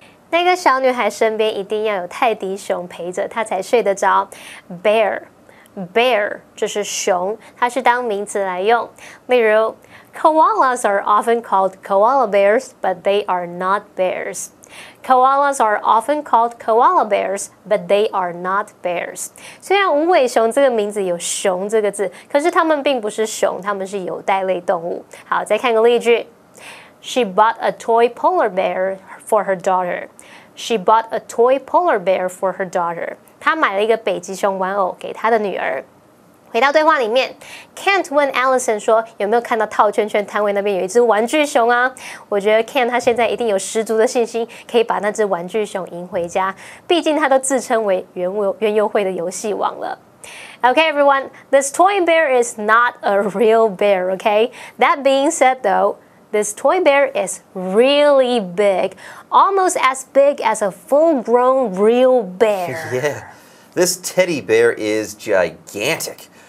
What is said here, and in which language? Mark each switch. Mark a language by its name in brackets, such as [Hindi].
[Chinese] 那个小女孩身边一定要有泰迪熊陪着，她才睡得着。 Bear 就是熊，它是当名词来用。例如 [English] ，Koalas are often called koala bears, but they are not bears. Koalas are often called koala bears, but they are not bears. [Chinese] 虽然无尾熊这个名字有熊这个字，可是它们并不是熊，它们是有袋类动物。好，再看个例句。 [English] She bought a toy polar bear for her daughter. She bought a toy polar bear for her daughter. [Chinese] 她买了一个北极熊玩偶给她的女儿。回到对话里面 ，Kent 问 Allison 说：“有没有看到套圈圈摊位那边有一只玩具熊啊？” 我觉得 Kent 他现在一定有十足的信心可以把那只玩具熊赢回家，毕竟他都自称为园游会的游戏王了。 [English] Okay, everyone, this toy bear is not a real bear, okay? That being said, though, this toy bear is really big, almost as big as a full-grown real bear. Yeah, this teddy bear is gigantic.